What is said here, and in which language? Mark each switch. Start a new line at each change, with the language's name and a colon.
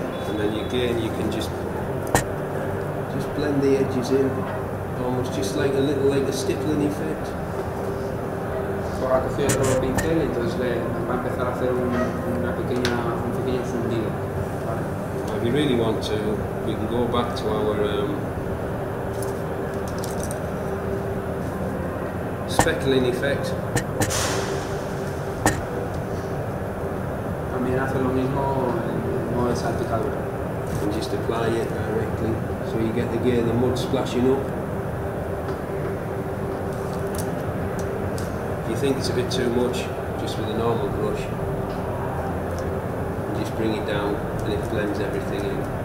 English: And then again, you can just blend the edges in, almost just like a little, like a stippling effect.
Spanish: Ahora cogí otro pincel, entonces le va a empezar a hacer un pequeño fundido.
English: If you really want to, we can go back to our speckling effect.
Spanish: También hace lo mismo en modo de salpicadura.
English: And just apply it directly, so you get the gear, the mud splashing up. If you think it's a bit too much, just with a normal brush, just bring it down and it blends everything in.